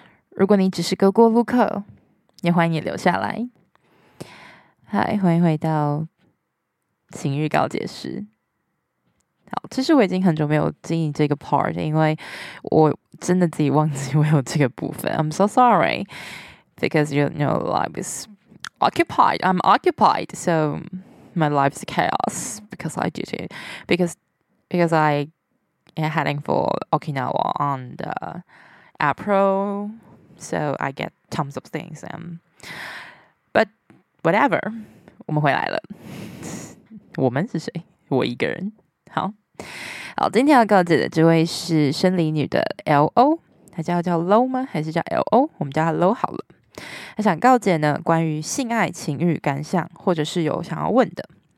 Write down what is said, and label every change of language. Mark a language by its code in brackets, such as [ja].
[zh] 如果你只是个过路客，也欢迎你留下来。嗨，欢迎回到情欲告解室。好，其实我已经很久没有经营这个 part， 因为我真的自己忘记我有这个部分。 [en] I'm so sorry because you know life is occupied. I'm occupied, so my life's chaos because I did it. Because I am heading for Okinawa on the April, so I get tons of things. But whatever, [zh] 我们回来了。我们是谁？我一个人。好好，今天要告解的这位是生理女的 LO， 她叫 Low 吗？还是叫 LO？我们叫她 Low 好了。她想告解呢，关于性爱情欲感想，或者是有想要问的。